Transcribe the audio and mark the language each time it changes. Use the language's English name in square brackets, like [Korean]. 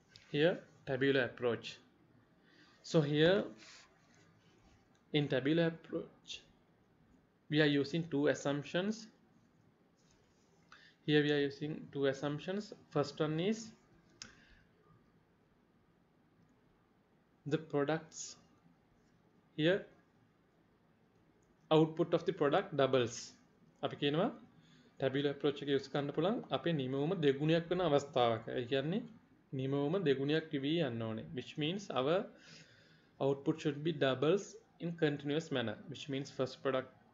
[English] Here, tabular approach. So here, in tabular approach, we are using two assumptions. Here we are using two assumptions. First one is the products. Here, output of the product doubles. [Sinhala] අපි කියනවා tabular approach එක use කරන්න පුළුවන් අපේ නිමවම දෙගුණයක් වෙන අවස්ථාවක. ඒ කියන්නේ නිමවම දෙගුණයක් වී යන්න ඕනේ [English] which means our output should be doubles in continuous manner which means first product